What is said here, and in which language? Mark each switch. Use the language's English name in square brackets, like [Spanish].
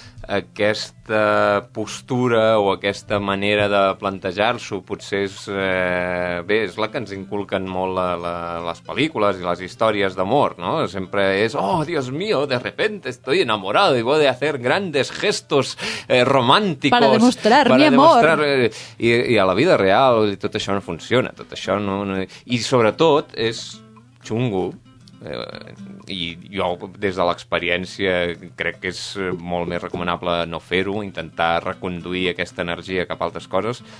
[Catalan] Aquesta postura o aquesta manera de plantejar-s'ho potser és... és la que ens inculquen molt les pel·lícules i les històries d'amor, no? Sempre és, [Spanish] oh, Dios mío, de repente estoy enamorado y voy a hacer grandes gestos románticos... Para demostrar mi amor. [Catalan] I a la vida real tot això no funciona, tot això no... I sobretot és xungo. I jo, des de l'experiència, crec que és molt més recomanable no fer-ho, intentar reconduir aquesta energia cap a altres coses.